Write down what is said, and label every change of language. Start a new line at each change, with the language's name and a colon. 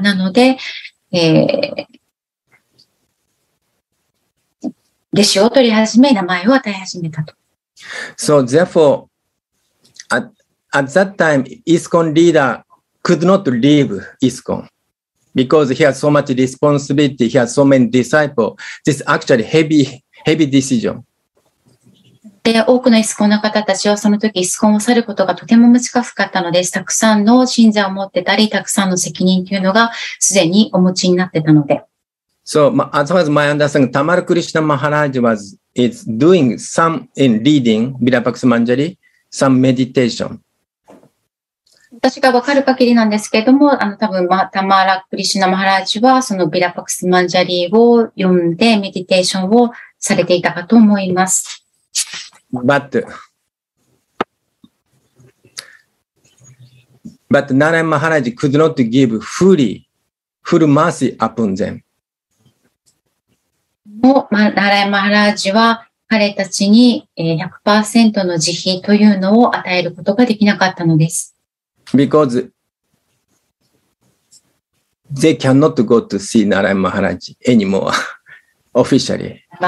Japanese: なので、弟子を取り始め、名前を与え始めたと。
English: So, therefore, at that time, ISKCON leader could not leave ISKCON. Because he has so much responsibility, he has so many disciples. This is actually heavy, heavy decision.
Japanese: で、多くのイスコンの方たちはその時イスコンを去ることがとても難しかったのです。たくさんの信者を持ってたり、たくさんの責任というのがすでにお持ちになってたので。
English: So, as far as my understanding, Tamal Krishna Maharaj was is doing some in reading Virapaks Manjari, some meditation.
Japanese: 私が分かる限りなんですけれども、たぶん、タマラ・クリシュナ・マハラージは、そのビラパクス・マンジャリーを読んで、メディテーションをされていたかと思います。
English: But ナラン・マハラージ could not give fully, full mercy upon them.
Japanese: もう、ナラン・マハラージは、彼たちに 100% の慈悲というのを与えることができなかったのです。
English: Because they cannot go to see Narayan Maharaj anymore officially.